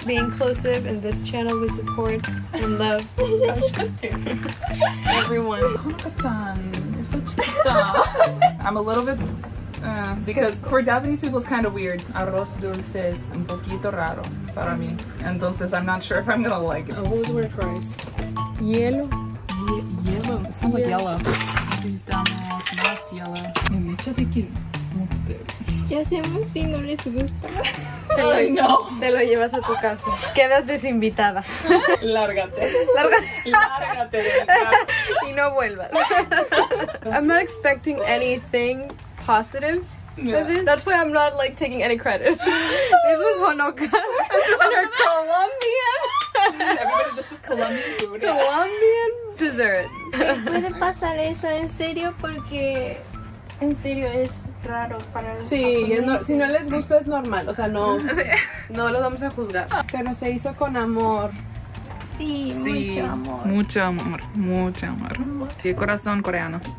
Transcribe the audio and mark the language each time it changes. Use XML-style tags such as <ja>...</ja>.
<en>Be inclusive, and this channel we support and love. Everyone. Honoka-chan, you're so chista. I'm a little bit because for Japanese people it's kind of weird.</en> <es>Arroz dulce es un poquito raro para mí.</es> <en>Entonces I'm not sure if I'm gonna like it. What was the word for ice? Yellow. Yellow. It sounds like yellow.</en> <es>Necesitamos más yellow. ¿Qué hacemos si no les gusta? Ay, no. Te lo llevas a tu casa. Quedas desinvitada. Lárgate. Lárgate. Lárgate. Y no vuelvas.</es> <en>I'm not expecting anything positive. Yeah. That's why I'm not like taking any credit. This was Honoka. This is her Colombian. Everybody, this is Colombian food. Colombian dessert.</en> <es>¿Puede pasar eso en serio? Porque en serio es raro para los japoneses. Si no les gusta es normal, o sea, no, no los vamos a juzgar. Pero se hizo con amor. Sí, mucho amor. Mucho amor, mucho amor. Qué corazón coreano.</es>